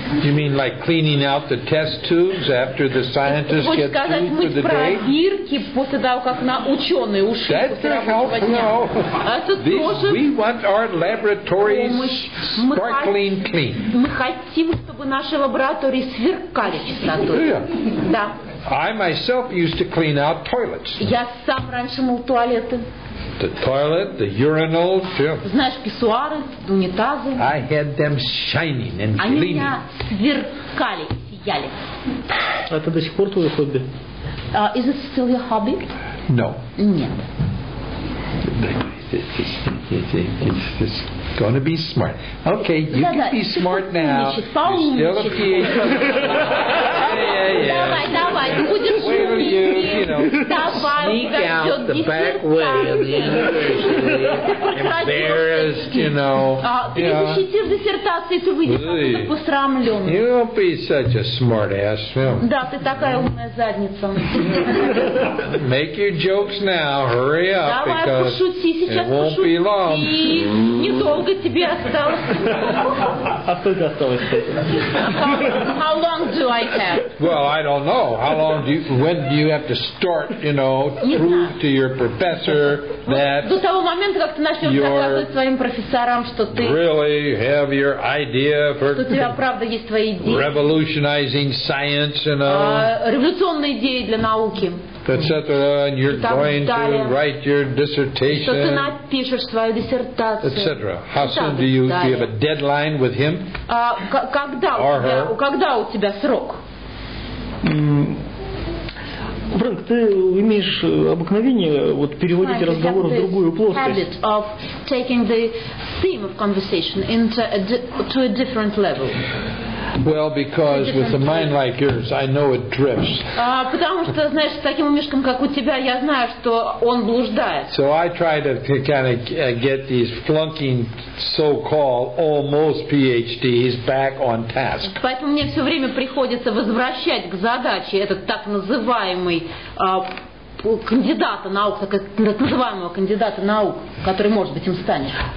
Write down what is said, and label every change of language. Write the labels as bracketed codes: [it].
[en] You mean like cleaning out the test tubes after the scientists get through for the day? [ru] Хочешь сказать, мыть пробирки после того, как на ученые ушли после рабочего дня? [en] That's to help, no. This, we want our laboratories sparkling clean. [ru] Мы хотим, чтобы наши лаборатории сверкали чистотой. Да. [en] I myself used to clean out toilets. [ru] Я сам раньше мыл туалеты. [en] The toilet, the urinals, yeah. [ru] Знаешь, писсуары, унитазы. [en] I had them shining and [ru] они [en] gleaming. [ru] Они меня сверкали, сияли. Это до сих пор твое хобби? [en] Is it still your hobby? No. [ru] Нет. [en] It's going to be smart. Okay, you can be smart now. You're still a PhD. [ru] Давай, ты будешь умничать. [en] You know, sneak out the back way of the university. Embarrassed, you know. [ru] Ты защитишь диссертацию, ты выйдешь посрамленный. [en] You'll be such a smart ass. [ru] Да, ты такая умная задница. [en] Make your jokes now. Hurry up, because [ru] сейчас [en] it won't be long. [ru] Недолго тебе осталось. А сколько осталось? [en] How long do I have? Well, I don't know. How long do you, when do you have to start, you know, prove to your professor that [ru] до того момента, как ты начнешь доказывать своим профессорам, что ты [en] really have your idea for [ru] что у тебя правда есть твои идеи. [en] Revolutionizing science, you know. [ru] Революционные идеи для науки. [en] Etc. And you're going to write your dissertation. [ru] Что ты напишешь свою диссертацию? [en] Etc. How soon do you have a deadline with him? [ru] Когда у тебя срок? Фрэнк, ты имеешь обыкновение вот переводить разговор в другую плоскость? [en] Habit of taking the theme of conversation into to a different level. Well, because with a mind like yours, I know it drifts. [ru] Потому что, знаешь, с таким умишком, как у тебя, я знаю, что он блуждает. [en] So I try to kind of get these flunking so-called almost PhDs back on task. [ru] Поэтому мне все время приходится возвращать к задаче этот так называемый кандидата наук, так называемого кандидата наук, который может быть им станет.